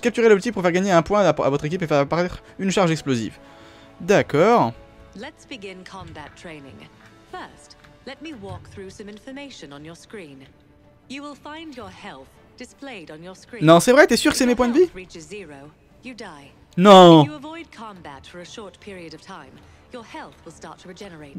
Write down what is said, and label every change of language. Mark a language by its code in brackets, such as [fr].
[fr] Capturez l'objectif pour faire gagner un point à votre équipe et faire apparaître une charge explosive. D'accord. [en] Let's begin combat training. First, let me walk through some information on your screen. You will find your health displayed on your screen. [fr] Non, c'est vrai, t'es sûr que c'est mes points de vie? Non. [en] If you avoid combat for a short period of time, your health will start to regenerate.